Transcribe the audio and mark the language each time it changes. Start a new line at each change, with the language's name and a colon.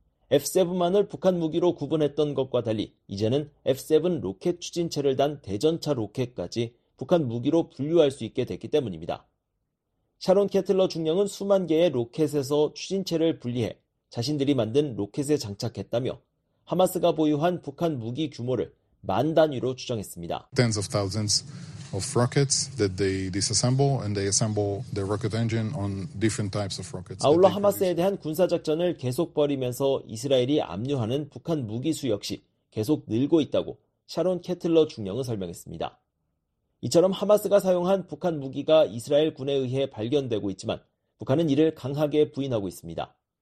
Korean: F-7만을 북한 무기로 구분했던 것과 달리 이제는 F-7 로켓 추진체를 단 대전차 로켓까지 북한 무기로 분류할 수 있게 됐기 때문입니다. 샤론 캐틀러 중령은 수만 개의 로켓에서 추진체를 분리해 자신들이 만든 로켓에 장착했다며 하마스가 보유한 북한 무기 규모를 만 단위로 추정했습니다.
English: Tens of thousands of rockets that they disassemble and they assemble their rocket engine on different types of rockets.
Korean: 아울러 하마스에 대한 군사 작전을 계속 벌이면서 이스라엘이 압류하는 북한 무기 수 역시 계속 늘고 있다고 샤론 캐틀러 중령은 설명했습니다. 이처럼 하마스가 사용한 북한 무기가 이스라엘 군에 의해 발견되고 있지만 북한은 이를 강하게 부인하고 있습니다.